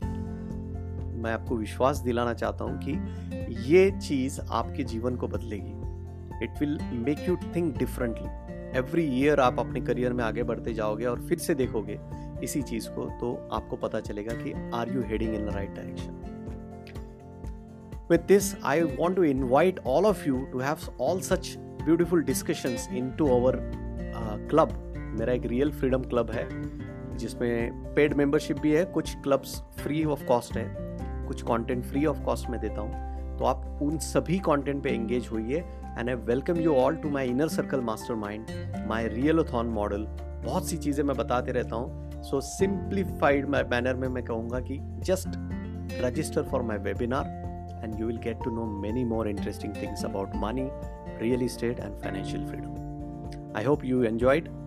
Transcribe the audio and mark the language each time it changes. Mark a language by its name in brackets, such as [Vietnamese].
[Hindi] मैं आपको विश्वास दिलाना चाहता हूँ कि ये चीज आपके जीवन को बदलेगी। [English] It will make you think differently. Every year [Hindi] आप अपने करियर में आगे बढ़ते जाओगे और फिर से देखोगे इसी चीज को, तो आपको पता चलेगा कि [English] Are you heading in the right direction. With this, I want to invite all of you to have all such beautiful discussions into our club. [Hindi] मेरा एक real freedom club है जिसमें paid membership भी है, कुछ clubs free of cost है, कुछ content free of cost में देता हूँ, तो आप उन सभी content पे engage होइए। [English] And I welcome you all to my inner circle mastermind, my realathon model. [Hindi] बहुत सी चीज़ें मैं बताते रहता हूँ, [English] so simplified manner [Hindi] में मैं कहूँगा कि [English] just register for my webinar and you will get to know many more interesting things about money, real estate and financial freedom. I hope you enjoyed.